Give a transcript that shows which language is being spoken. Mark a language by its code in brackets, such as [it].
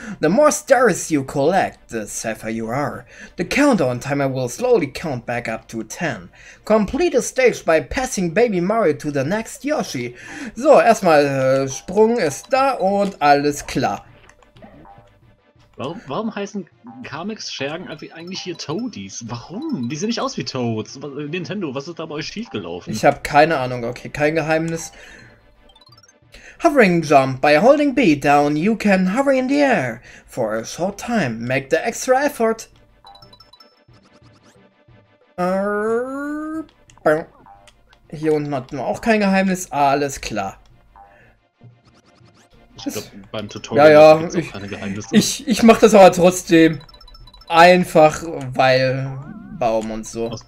[en] The more stars you collect, the safer you are. The countdown timer will slowly count back up to 10. Complete a stage by passing Baby Mario to the next Yoshi. [de] So, erstmal, Sprung ist da und alles klar. Warum heißen Kamek's Schergen eigentlich hier Toadies? Warum? Die sehen nicht aus wie Toads. Nintendo, was ist da bei euch schiefgelaufen? Ich habe keine Ahnung, okay, kein Geheimnis. [en] Hovering jump. By holding B down, you can hover in the air. For a short time, make the extra effort. [de] Hier unten hatten wir auch kein Geheimnis, alles klar. Ich glaube, beim Tutorial ja, ja, gibt's auch keine Geheimnisse. Ich mach das aber trotzdem einfach, weil Baum und so.